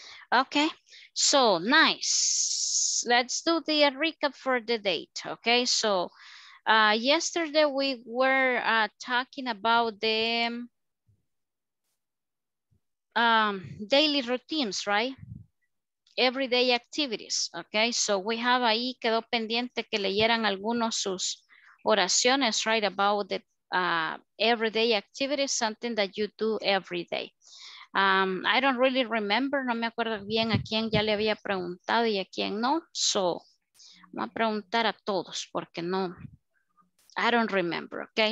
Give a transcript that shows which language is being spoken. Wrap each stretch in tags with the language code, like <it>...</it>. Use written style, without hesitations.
<en>Okay, so nice. Let's do the recap for the date. Okay, so yesterday we were talking about the daily routines, right? Everyday activities, okay? So we have</en> <es>ahí, quedó pendiente que leyeran algunos sus oraciones, right?</es> <en>About the everyday activities, something that you do every day. I don't really remember,</en> <es>no me acuerdo bien a quién ya le había preguntado y a quién no. So, voy a preguntar a todos porque no,</es> <en>I don't remember, okay?</en>